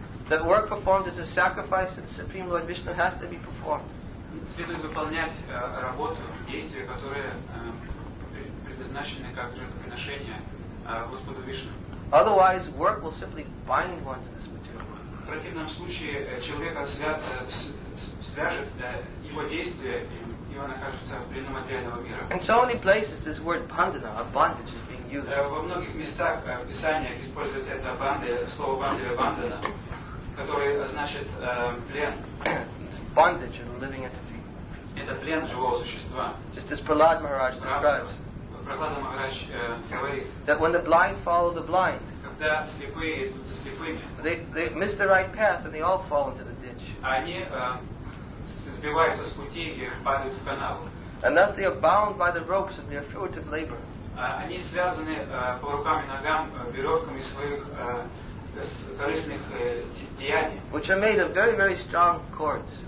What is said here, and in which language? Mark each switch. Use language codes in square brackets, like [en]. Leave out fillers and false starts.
[en] That work performed as a sacrifice to the Supreme Lord Vishnu has to be performed. [ru] Следует выполнять работу, действия, которые предназначены как жертвоприношение Господу Вишну. [en] Otherwise, work will simply bind one to this material. [ru] В противном случае человека свяжет его действия, и он окажется в плену материального мира. [en] In so many places, this word pandana, a bondage, is being used. [ru] Во многих местах в Писаниях используется это банды, слово банды или бандана, которое значит плен. [en] Bondage of the living entity. [ru] Это плен живого существа. [en] Just as Prahlad Maharaj describes. [ru] Prahlad Maharaj говорит. [en] That when the blind follow the blind. [ru] Когда слепые идут за слепыми. [en] They miss the right path and they all fall into the ditch. [ru] Они сбиваются с пути и падают в канал. [en] And thus they are bound by the ropes of their furtive labor. [ru] Они связаны по рукам и ногам веревками своих корыстных деяний. [en] Which are made of very, very strong cords.